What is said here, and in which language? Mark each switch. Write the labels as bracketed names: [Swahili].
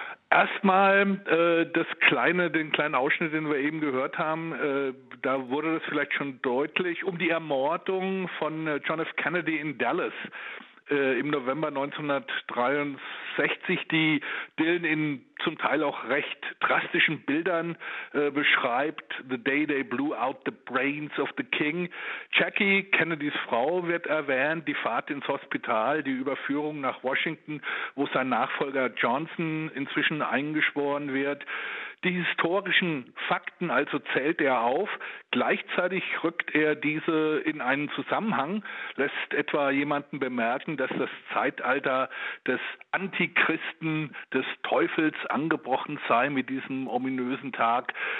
[German] Erstmal den kleinen Ausschnitt, den wir eben gehört haben, da wurde das vielleicht schon deutlich, um die Ermordung von John F. Kennedy in Dallas im November 1963, die Dylan in zum Teil auch recht drastischen Bildern beschreibt. [English] The day they blew out the brains of the king. [German] Jackie, Kennedys Frau, wird erwähnt. Die Fahrt ins Hospital, die Überführung nach Washington, wo sein Nachfolger Johnson inzwischen eingeschworen wird. Die historischen Fakten also zählt er auf. Gleichzeitig rückt er diese in einen Zusammenhang, lässt etwa jemanden bemerken, dass das Zeitalter des Antichristen, des Teufels angebrochen sei mit diesem ominösen Tag.